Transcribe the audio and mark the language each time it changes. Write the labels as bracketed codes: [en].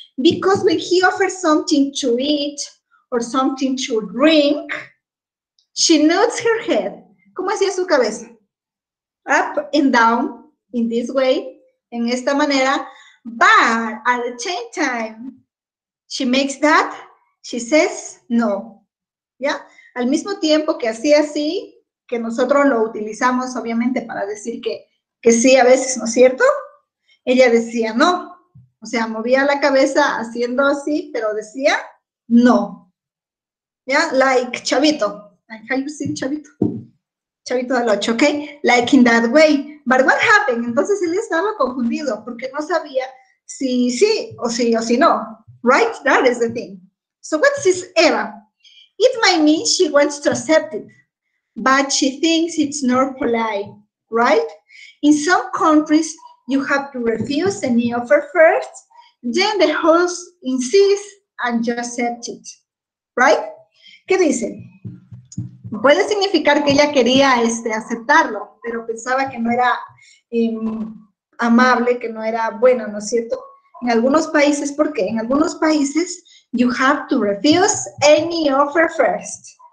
[en] Because when he offers something to eat or something to drink, she nods her head. [es] ¿Cómo hacía su cabeza? [en] Up and down, in this way, [es] en esta manera. [en] But at the same time, she makes that, she says no. [es] ¿Ya? Al mismo tiempo que hacía así, que nosotros lo utilizamos obviamente para decir que sí a veces, ¿no es cierto? Ella decía no. O sea, movía la cabeza haciendo así, pero decía no. [en] ¿Ya? Like chavito. Like how you say chavito. Chavito del 8, ¿ok? Like in that way. But what happened? [es] Entonces él estaba confundido porque no sabía si sí o sí o si no. [en] Right? That is the thing. So what says Eva? It might mean she wants to accept it, but she thinks it's not polite, right? In some countries, you have to refuse any offer first, then the host insists and you accept it, right? [es] ¿Qué dice? Puede significar que ella quería aceptarlo, pero pensaba que no era amable, que no era bueno, ¿no es cierto? En algunos países, ¿por qué? En algunos países, [en] you have to refuse any offer first.